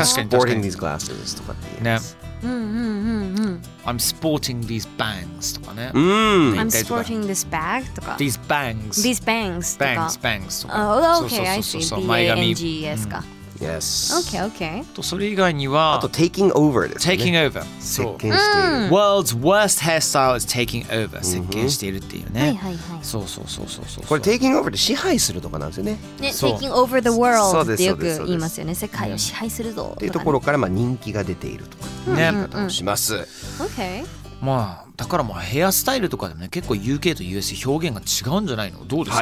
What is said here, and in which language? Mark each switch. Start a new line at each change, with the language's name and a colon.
English: sporting these glasses
Japanese: とかって言います。ね。うんうんうんうん、
English: I'm sporting these bangs
Japanese: とかね、
English: I'm sporting this bag
Japanese: とか、
English: these bangs、 these bangs
Japanese: とか、
English: bangs、 bangs と
Japanese: か、
English: oh, okay, I see、
Japanese: そうそうそう、 B-A-N-G-S か、
English: yes、 okay, okay、
Japanese: とそれ以外には、あと taking over ですね、
English: taking over、
Japanese: 接近している、
English: world's worst hairstyle is taking over、
Japanese: 接近しているっていうね、はいはいはい、そうそうそうそう、これ taking over って支配するとかなんですよね、
English: taking over the world
Japanese: ってよく言いますよね、世界を支配するぞっていうところから、まあ人気が出ているとかね、します、うんうん、okay. まあだからまあヘアスタイルとかでもね、結構 UK と US 表現が違うんじゃないの、どうですか、